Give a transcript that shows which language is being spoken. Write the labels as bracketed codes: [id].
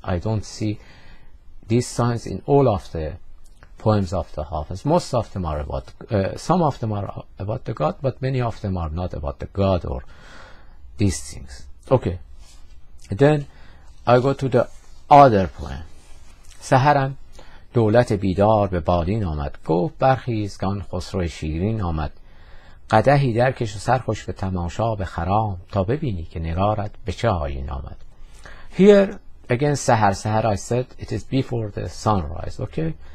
[en] I don't see these signs in all of the poems of the Hafiz. Most of them are about, some of them are about the God, but many of them are not about the God or these things. Okay, then I go to the other poem. [fa] سحرم دولت بیدار به بالین آمد، گفت برخیز که آن خسرو شیرین آمد. قدحی درکش و سرخوش به تماشا به خرام، تا ببینی که نگارت به چه آیین آمد. [en] Here again سحر I said it is before the sunrise. Okay.